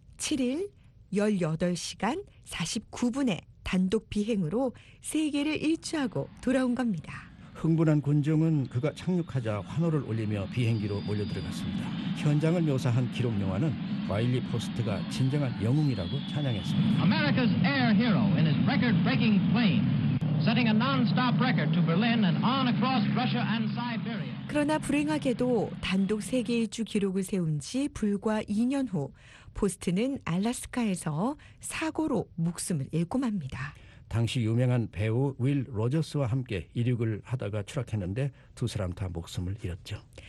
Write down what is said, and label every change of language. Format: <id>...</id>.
<ko>7일 18시간 49분에 단독 비행으로 세계를 일주하고 돌아온 겁니다. 흥분한 군중은 그가 착륙하자 환호를 올리며 비행기로 몰려들어갔습니다. 현장을 묘사한 기록 영화는 와일리 포스트가 진정한 영웅이라고 찬양했습니다.</ko> <en>America's air hero in his record-breaking plane, setting a non-stop record to Berlin and on across Russia and Siberia.</en> <ko>그러나 불행하게도 단독 세계 일주 기록을 세운 지 불과 2년 후 포스트는 알라스카에서 사고로 목숨을 잃고 맙니다. 당시 유명한 배우 윌 로저스와 함께 이륙을 하다가 추락했는데 두 사람 다 목숨을 잃었죠.</ko>